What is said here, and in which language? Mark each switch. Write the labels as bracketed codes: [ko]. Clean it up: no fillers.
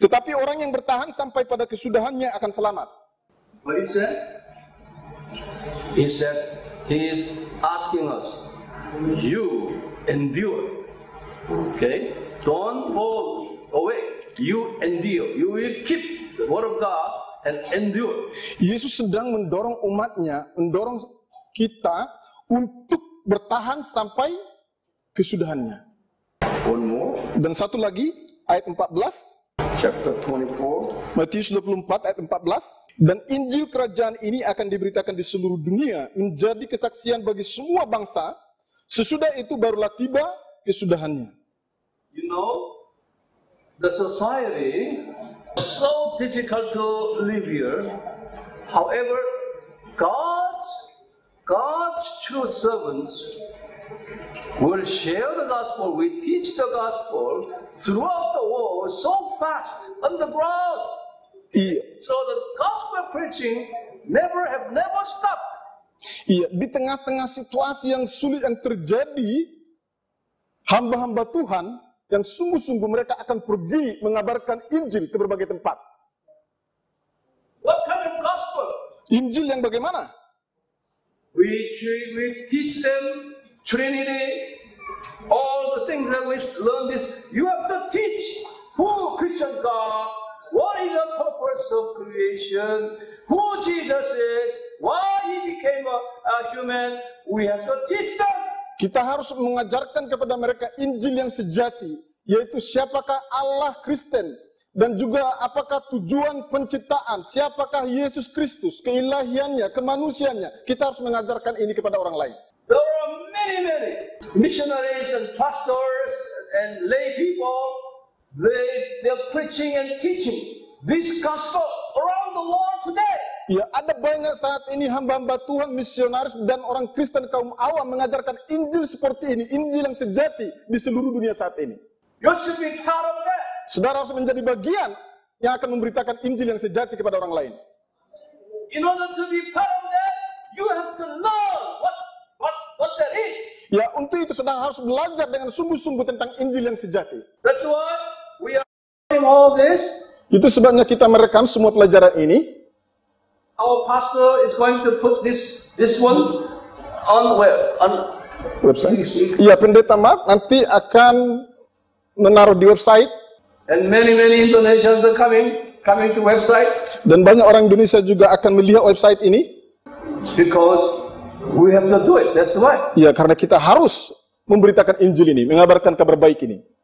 [id] Tetapi orang yang bertahan sampai pada kesudahannya akan selamat. [en] What is that? He said, he is asking us, you endure, okay? Don't fall away. You endure. You will keep the word of God and endure. [id] Yesus sedang mendorong umatnya, mendorong kita untuk bertahan sampai kesudahannya. [en] One more. [id] Dan satu lagi, ayat 14. [en] Chapter 24. [id] Matius 24 ayat 14. Dan Injil kerajaan ini akan diberitakan di seluruh dunia menjadi kesaksian bagi semua bangsa. Sesudah itu barulah tiba kesudahannya. [en] You know, the society so difficult to live here. However, God's true servants will share the gospel, we teach the gospel throughout the world so fast on the ground. [id] Iya. [en] So the gospel preaching never stopped. [id] Iya, di tengah-tengah situasi yang sulit yang terjadi, hamba-hamba Tuhan yang sungguh-sungguh mereka akan pergi mengabarkan Injil ke berbagai tempat. [en] What kind of gospel? [id] Injil yang bagaimana? [en] We teach them Trinity, all the things that we learn this, you have to teach who Christian God, what is the purpose of creation, who Jesus is, why he became a human, we have to teach them. [id] Kita harus mengajarkan kepada mereka Injil yang sejati, yaitu siapakah Allah Kristen, dan juga apakah tujuan penciptaan, siapakah Yesus Kristus, keilahiannya, kemanusiaannya. Kita harus mengajarkan ini kepada orang lain. [en] Many missionaries and pastors and lay people, they're preaching and teaching this gospel around the world today. [id] Ya, ada banyak saat ini hamba-hamba Tuhan, misionaris dan orang Kristen kaum awam mengajarkan Injil seperti ini, Injil yang sejati di seluruh dunia saat ini. [en] You should be part of that. [id] Saudara harus menjadi bagian yang akan memberitakan Injil yang sejati kepada orang lain. [en] In order to be part of that, you have to know what that is. [id] Ya, untuk itu saudara harus belajar dengan sungguh-sungguh tentang Injil yang sejati. [en] That's why we are doing all this. [id] Itu sebabnya kita merekam semua pelajaran ini. [en] Our pastor is going to put this one on web. On [id] website. Ya, Pendeta Mark nanti akan menaruh di website. [en] And many Indonesians are coming to website. [id] Dan banyak orang Indonesia juga akan melihat website ini. [en] Because we have to do it. That's why. [id] Ya, karena kita harus memberitakan Injil ini, mengabarkan kabar baik ini.